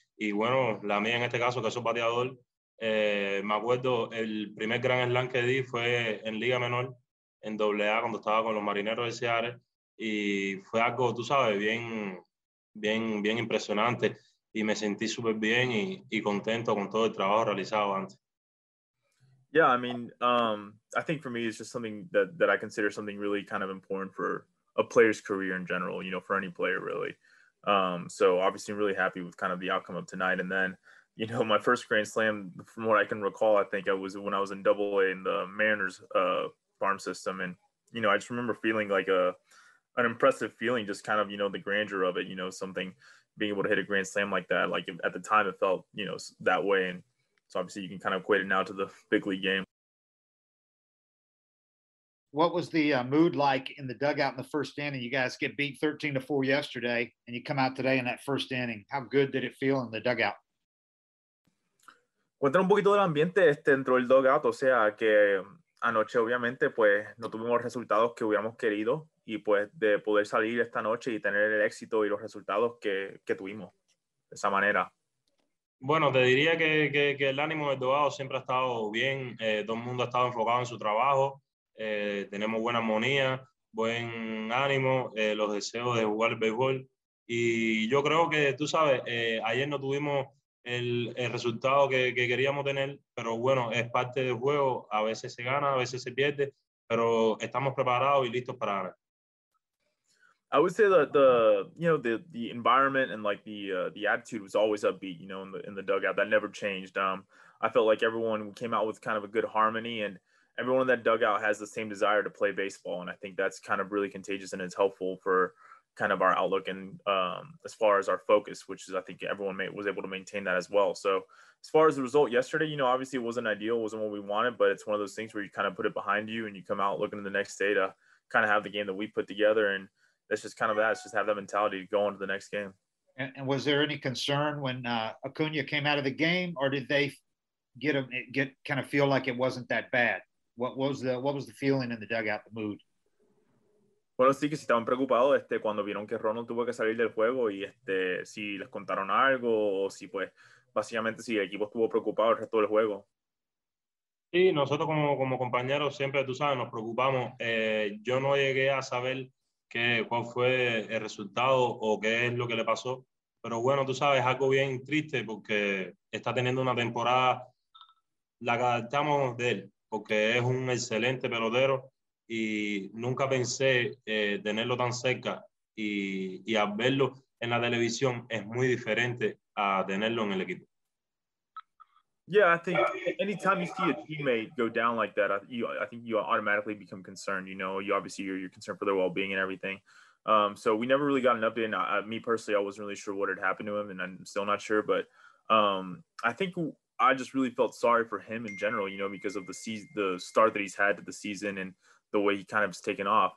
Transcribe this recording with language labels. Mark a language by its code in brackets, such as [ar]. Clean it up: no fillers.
[es] Y bueno, la mía en este caso, que soy bateador, me acuerdo el primer gran slam que di fue en Liga Menor, en AA, cuando estaba con los Marineros de Seattle. Y fue algo, tú sabes, bien impresionante. Y me sentí súper bien y contento con todo el trabajo realizado antes. [en] Yeah, I mean, I think for me, it's just something that I consider something really kind of important for a player's career in general, you know, for any player, really. So obviously, I'm really happy with kind of the outcome of tonight. And then, you know, my first Grand Slam, from what I can recall, I think it was when I was in AA in the Mariners farm system. And, you know, I just remember feeling like an impressive feeling, just kind of, you know, the grandeur of it, you know, something being able to hit a Grand Slam like that. Like at the time, it felt, you know, that way. And so obviously you can kind of equate it now to the big league game. What was the mood like in the dugout in the first inning? You guys get beat 13-4 yesterday and you come out today in that first inning. How good did it feel in the dugout? [es] Cuéntame un poquito del ambiente dentro del dugout. O sea, que anoche obviamente pues no tuvimos resultados que hubiéramos querido y pues de poder salir esta noche y tener el éxito y los resultados que tuvimos de esa manera. Bueno, te diría que el ánimo del dugout siempre ha estado bien. Todo el mundo ha estado enfocado en su trabajo. Tenemos buena armonía, buen ánimo, los deseos de jugar el béisbol. Y yo creo que, tú sabes, ayer no tuvimos el resultado que queríamos tener, pero bueno, es parte del juego. A veces se gana, a veces se pierde, pero estamos preparados y listos para ganar. [en] I would say that the environment and like the attitude was always upbeat, you know, in the dugout. That never changed. I felt like everyone came out with kind of a good harmony, and everyone in that dugout has the same desire to play baseball. And I think that's kind of really contagious, and it's helpful for kind of our outlook and as far as our focus, which is, I think everyone was able to maintain that as well. So as far as the result yesterday, you know, obviously it wasn't ideal. It wasn't what we wanted, but it's one of those things where you kind of put it behind you and you come out looking to the next day to kind of have the game that we put together. And that's just kind of that. It's just have that mentality to go on to the next game. And was there any concern when Acuña came out of the game, or did they get kind of feel like it wasn't that bad? What was the feeling in the dugout, the mood? [es] Bueno, sí que sí estaban preocupados cuando vieron que Ronald tuvo que salir del juego y si les contaron algo o si pues básicamente si el equipo estuvo preocupado el resto del juego. Sí, nosotros como compañeros siempre, tú sabes, nos preocupamos. Yo no llegué a saber cuál fue el resultado o qué es lo que le pasó, pero bueno, tú sabes, es algo bien triste porque está teniendo una temporada, la adaptamos de él. Porque es un excelente pelotero y nunca pensé tenerlo tan cerca y a verlo en la televisión es muy diferente a tenerlo en el equipo. [en] Yeah, I think anytime you see a teammate go down like that, I think you automatically become concerned. You know, you obviously you're concerned for their well-being and everything. So we never really got an update. And me personally, I wasn't really sure what had happened to him, and I'm still not sure. But I think I just really felt sorry for him in general, you know, because of the start that he's had to the season and the way he kind of has taken off.